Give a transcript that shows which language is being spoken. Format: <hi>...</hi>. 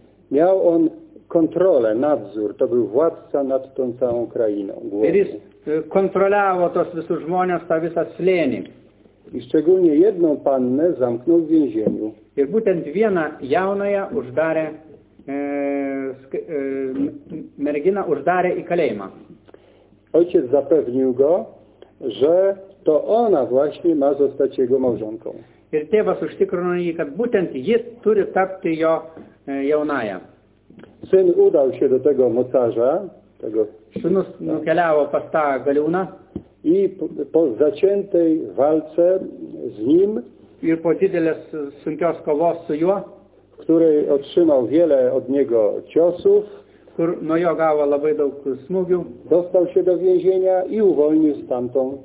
<pl>Miał on kontrolę, nadzór. To był władca nad tą całą krainą.</pl> <lt>Kontroliavo tos visus žmonės tą visą slėnį.</lt> <pl>I szczególnie jedną pannę zamknął w więzieniu.</pl> <lt>Ir būtent vieną jaunąją uždarė merginą uždarė į kalėjimą.</lt> <pl>Ojciec zapewnił go, że to ona właśnie ma zostać jego małżonką.</pl> <lt>Ir tėvas užtikrino jį, kad būtent jis turi tapti jo jaunaja.</lt> <pl>Syn udał się do tego mocarza, tego</pl> <lt>Sūnus nukeliavo pas tą galiūną.</lt> <pl>I po zaciętej walce z nim,</pl> <lt>ir po didelės sunkios kovos su juo,</lt> <pl>w której otrzymał wiele od niego ciosów,</pl> <lt>kur nuo jo gavo labai daug smūgių,</lt> <pl>dostał się do więzienia i uvolnił stamtą</pl>